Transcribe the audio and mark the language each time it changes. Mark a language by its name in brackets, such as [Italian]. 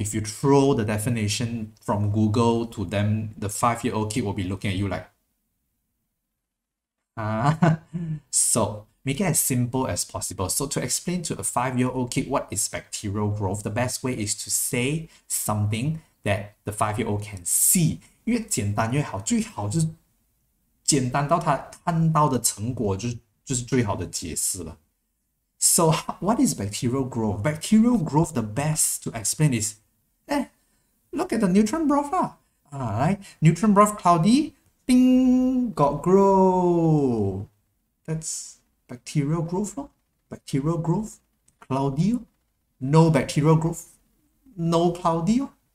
[English] If you throw the definition from Google to them, the five-year-old kid will be looking at you like, so make it as simple as possible. So to explain to a five-year-old kid what is bacterial growth, the best way is to say something that the five-year-old can see. [Chinese] 越简单越好, 最好就是简单到他看到的成果就是最好的解释了。 [English] So what is bacterial growth? Bacterial growth, the best to explain is, look at the neutron broth lah. Right? Neutron broth cloudy, ding, got growth. That's bacterial growth, lor. Bacterial growth, cloudy, no bacterial growth, no cloudy.